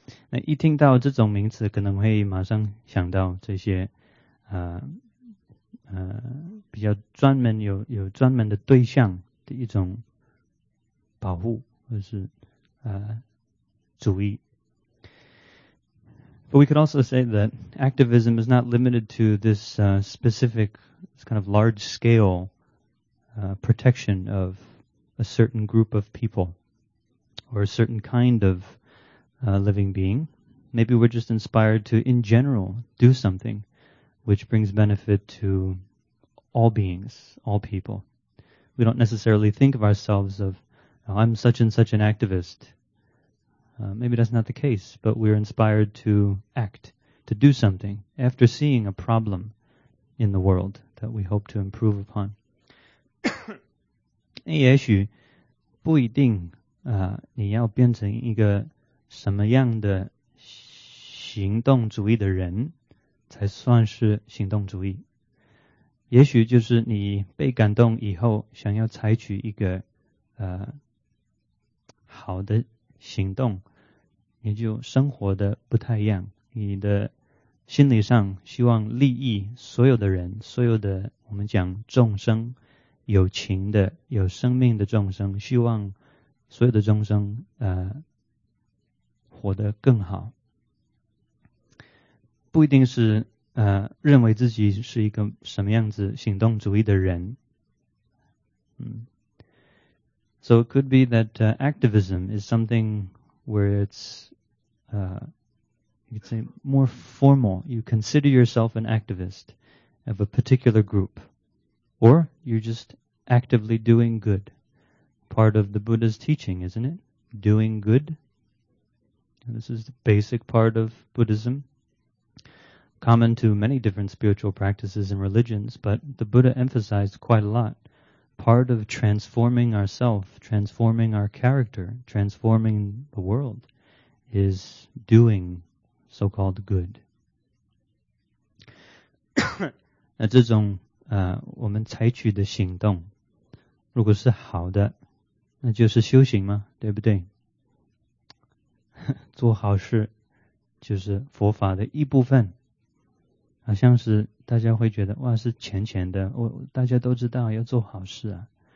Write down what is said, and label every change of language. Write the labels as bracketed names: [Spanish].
[Chinese] 那一听到这种名词，可能会马上想到这些，比较专门有专门的对象的一种保护或是主义。 [English] But we could also say that activism is not limited to this specific, this kind of large-scale protection of a certain group of people or a certain kind of living being. Maybe we're just inspired to, in general, do something which brings benefit to all beings, all people. We don't necessarily think of ourselves of, oh, I'm such and such an activist. Maybe that's not the case, but we're inspired to act, to do something after seeing a problem in the world that we hope to improve upon. [Chinese] 也许不一定你要变成一个什么样的行动主义的人才算是行动主义。也许就是你被感动以后想要采取一个好的行动，你就生活的不太一样，你的心理上希望利益所有的人，所有的我们讲众生，有情的有生命的众生，希望所有的众生活得更好。不一定是认为自己是一个什么样子行动主义的人。 [English] So it could be that activism is something where it's, you could say, more formal. You consider yourself an activist of a particular group. Or you're just actively doing good. Part of the Buddha's teaching, isn't it? Doing good. And this is the basic part of Buddhism, common to many different spiritual practices and religions, but the Buddha emphasized quite a lot. Part of transforming ourselves, transforming our character, transforming the world is doing so-called good. [Chinese] 那这种我们采取的行动如果是好的，那就是修行嘛，对不对？做好事就是佛法的一部分。好像是大家会觉得哇，是浅浅的，大家都知道要做好事啊。